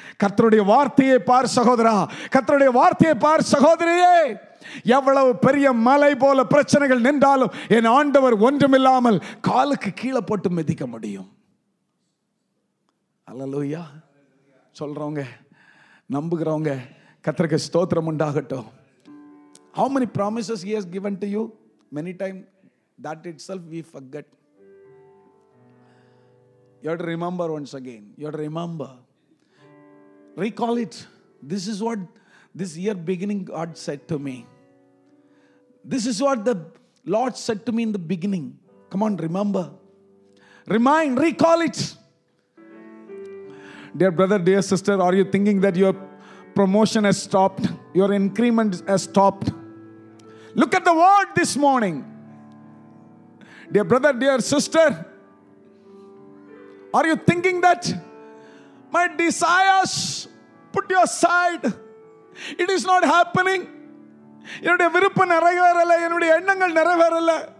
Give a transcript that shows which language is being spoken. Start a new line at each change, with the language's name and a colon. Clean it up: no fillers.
Tamil: கர்த்தருடைய வார்த்தையை பார் சகோதரா, கர்த்தருடைய வார்த்தையை பார் சகோதரியே. எவ்வளவு பெரிய மலை போல பிரச்சனைகள் நின்றாலும் என் ஆண்டவர் ஒன்றுமில்லாமல் காலுக்கு கீழே போட்டு மிதிக்க முடியும். அல்லேலூயா சொல்றவங்க, நம்புகிறவங்க, கர்த்தருக்கு ஸ்தோத்திரம் உண்டாகட்டும்.
English: How many promises he has given to you? Many times that itself we forget. You have to remember once again. You have to remember. Recall it. This is what this year beginning God said to me. This is what the Lord said to me in the beginning. Come on, remember. Remind, recall it. Dear brother, dear sister, are you thinking that your promotion has stopped? Your increment has stopped? Look at the word this morning. Dear brother, dear sister, are you thinking that my desires put you aside? It is not happening.
Tamil: என்னுடைய விருப்பம் நிறைவேறல, என்னுடைய எண்ணங்கள் நிறைவேறல.